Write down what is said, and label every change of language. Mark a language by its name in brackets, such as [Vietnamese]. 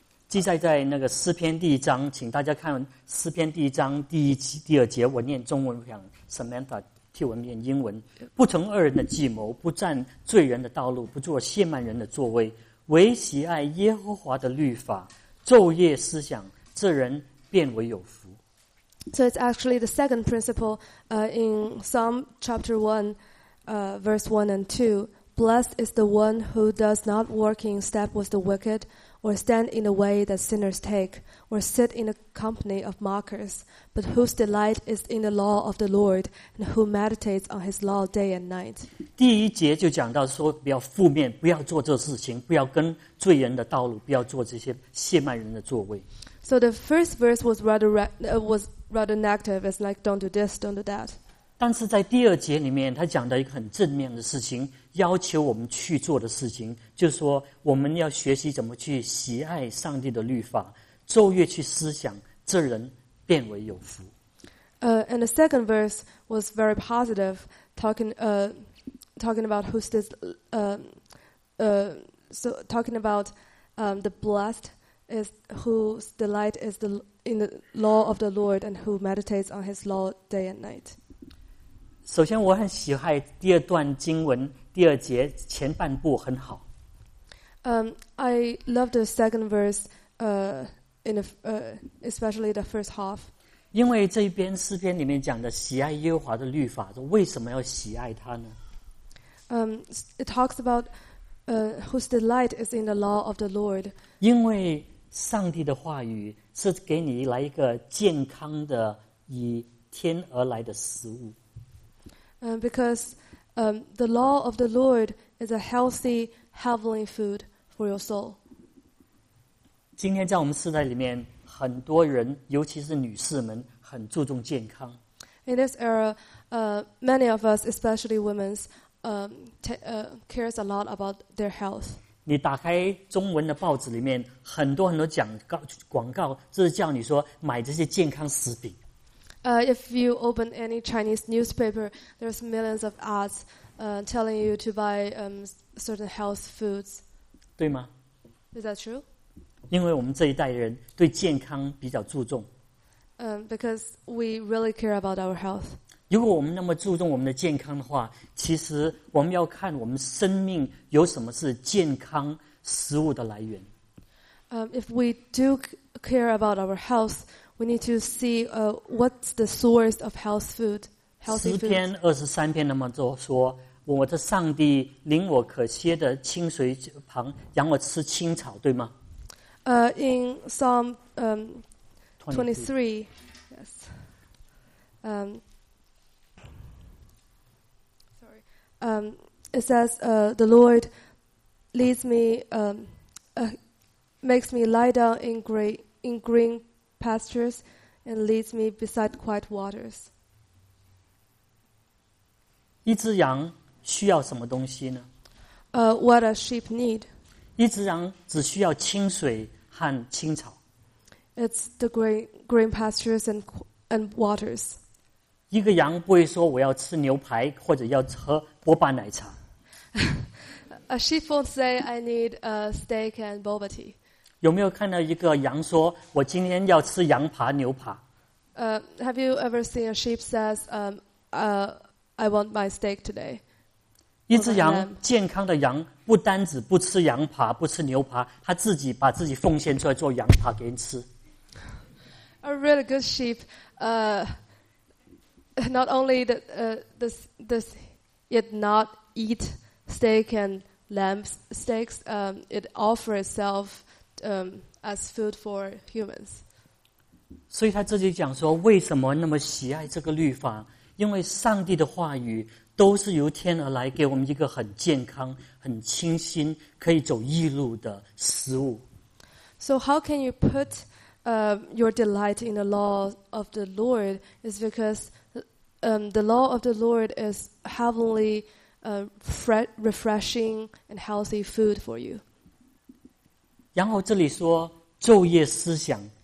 [Chinese] 记载在那个诗篇第一章，请大家看诗篇第一章第二节，我念中文，我想 Samantha 替我念英文。不从恶人的计谋，不占罪人的道路，不做亵慢人的座位，唯喜爱耶和华的律法，昼夜思想，这人便为有福。 [English] So it's actually the second principle, in Psalm chapter 1, verse 1 and 2. Blessed is the one who does not walk in step with the wicked, or stand in the way that sinners take, or sit in the company of mockers, but whose delight is in the law of the Lord, and who meditates on his law day and night. [Chinese] 第一节就讲到说比较负面，不要做这事情，不要跟罪人的道路，不要做这些亵慢人的座位。 [English] So the first verse was rather negative. It's like, don't do this, don't do that. [Chinese] 但是在第二节里面，他讲到一个很正面的事情，要求我们去做的事情，就是说我们要学习怎么去喜爱上帝的律法，昼夜去思想，这人变为有福。 [English] And the second verse was very positive, talking about the blessed is whose delight is in the law of the Lord and who meditates on his law day and night. [Chinese] 首先我很喜爱第二段经文第二节前半部很好。 [English] I love the second verse, especially the first half. [Chinese] 因为这边诗篇里面讲的喜爱耶和华的律法，为什么要喜爱他呢？ [English] It talks about whose delight is in the law of the Lord. [Chinese] 因为上帝的话语是给你来一个健康的以天而来的食物。 [English] Because the law of the Lord is a healthy heavenly food for your soul. [Chinese] 今天在我们世代里面，很多人，尤其是女士们，很注重健康。 [English] In this era, many of us, especially women, cares a lot about their health. [Chinese] 你打开中文的报纸里面，很多很多广告，就是叫你说买这些健康食品。 [English] If you open any Chinese newspaper, there's millions of ads, telling you to buy certain health foods. [Chinese] 对吗 [English] ？Is that true? [Chinese] 因为我们这一代人对健康比较注重。 [English] Because we really care about our health. [Chinese] 如果我们那么注重我们的健康的话，其实我们要看我们生命有什么是健康食物的来源。 [English] If we do care about our health, we need to see what's the source of health food. [Chinese] 诗篇二十三篇那么说：“我的上帝领我可歇的清水旁，让我吃青草，对吗？” [English] In Psalm 23, yes. It says, the Lord leads me, makes me lie down in green pastures and leads me beside quiet waters. [Chinese] 一只羊需要什么东西呢？ [English] What does sheep need? [Chinese] 一只羊只需要清水和青草。 [English] It's the green pastures and waters. [Chinese] 一个羊不会说我要吃牛排或者要喝boba奶茶。 [English] A sheep won't say I need a steak and boba tea. [Chinese] 有没有看到一个羊说我今天要吃羊扒牛扒？ [English] Have you ever seen a sheep says I want my steak today? [Chinese] 一只羊健康的羊不单只不吃羊扒不吃牛扒，他自己把自己奉献出来做羊扒给你吃。 [English] A really good sheep, not only does it not eat steak and lamb steaks, it offers itself as food for humans. [Chinese] 所以他这里讲说，为什么那么喜爱这个律法？因为上帝的话语都是由天而来，给我们一个很健康、很清新、可以走义路的食物。 [English] So how can you put your delight in the law of the Lord? Is because the law of the Lord is heavenly, refreshing and healthy food for you. [Chinese] 然后这里说昼夜思想。